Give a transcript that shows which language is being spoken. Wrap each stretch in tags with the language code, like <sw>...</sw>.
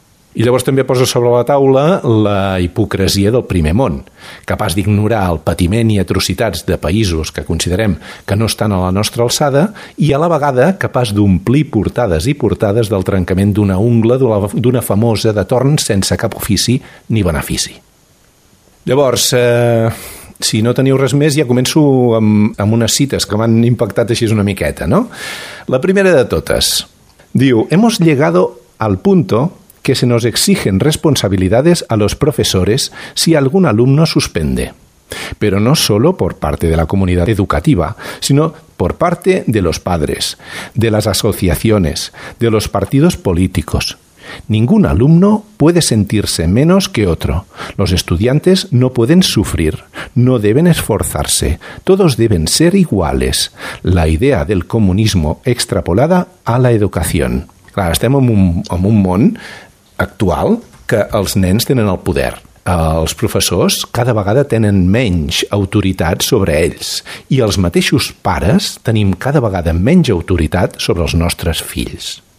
<ca>I llavors també posa sobre la taula la hipocresia del primer món, capaç d'ignorar el patiment i atrocitats de països que considerem que no estan a la nostra alçada, i a la vegada capaç d'omplir portades i portades del trencament d'una ungla d'una famosa de torn sense cap ofici ni benefici. Llavors, si no teniu res més, ja començo amb unes cites que m'han impactat així una miqueta, no? La primera de totes diu:</ca> <es>"Hemos llegado al punto que se nos exigen responsabilidades a los profesores si algún alumno suspende". pero no solo por parte de la comunidad educativa, sino por parte de los padres, de las asociaciones, de los partidos políticos. Ningún alumno puede sentirse menos que otro. Los estudiantes no pueden sufrir, no deben esforzarse. Todos deben ser iguales. La idea del comunismo extrapolada a la educación.</es> <ca>Clar, estem en un món actual que els nens tenen el poder. Els professors cada vegada tenen menys autoritat sobre ells i els mateixos pares tenim cada vegada menys autoritat sobre els nostres fills.</ca>